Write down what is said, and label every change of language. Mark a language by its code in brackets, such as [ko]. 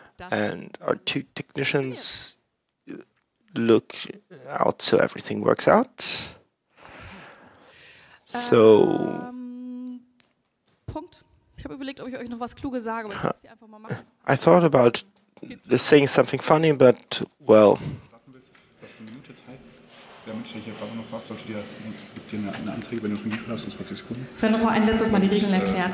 [en] And our two technicians look out so everything works out. So, [de] Punkt. Ich habe überlegt, ob ich euch noch was Kluges sage, aber ich muss die einfach mal machen. [en] I thought about saying something funny, but well. [de] Was eine Minute Zeit. Der Mensch, der hier gerade noch saß, sollte dir gibt dir eine Anzeige, wenn du ein Mikro hast, und 20 Sekunden. Ich werde noch mal ein letztes Mal die Regeln erklären.